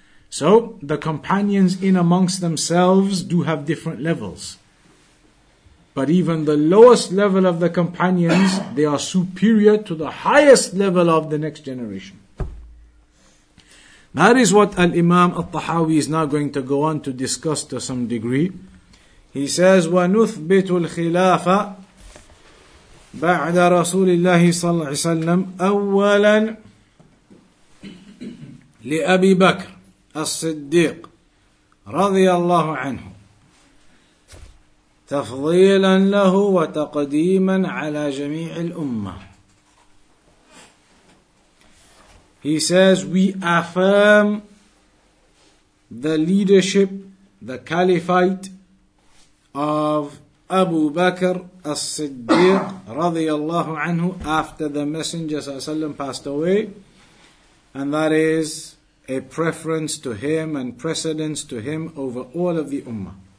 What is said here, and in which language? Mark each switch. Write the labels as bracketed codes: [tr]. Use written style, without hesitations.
[en] So, the companions in amongst themselves do have different levels. But even the lowest level of the companions, they are superior to the highest level of the next generation. That is what Al-Imam Al-Tahawi is now going to go on to discuss to some degree. [ar] He says, وَنُثْبِتُ الْخِلَافَةَ بَعْدَ رَسُولِ اللَّهِ صَلَّى اللَّهِ وَسَلَّمْ أَوَّلًا لِأَبِي بَكْرٍ الصديق رضي الله عنه تفضيلا له وتقديما على جميع الأمة. [en] He says, we affirm the leadership, the caliphate of Abu Bakr as-Siddiq رضي الله عنه after the Messenger صلى الله عليه وسلم passed away, and that is a preference to him and precedence to him over all of the Ummah.